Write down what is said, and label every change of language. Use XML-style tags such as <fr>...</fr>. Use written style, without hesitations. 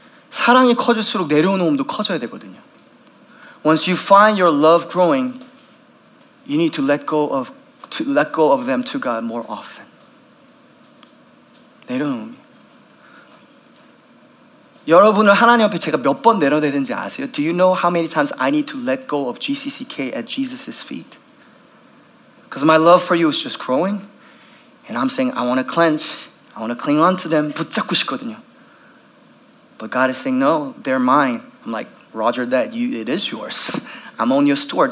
<ko>사랑이 커질수록 내려놓음도 커져야 되거든요.</ko> <en>Once you find your love growing, you need to let go of them to God more often.</en> <ko>내려놓음이. 여러분을 하나님 앞에 제가 몇 번 내려놔야 되는지 아세요?</ko> <en>Do you know how many times I need to let go of GCCK at Jesus' feet? Because my love for you is just growing. And I'm saying, I want to clench. I want to cling on to them.</en> <ko>붙잡고 싶거든요.</ko> <en>But God is saying, no, they're mine. I'm like, Roger that, it is yours. I'm only a steward.</en>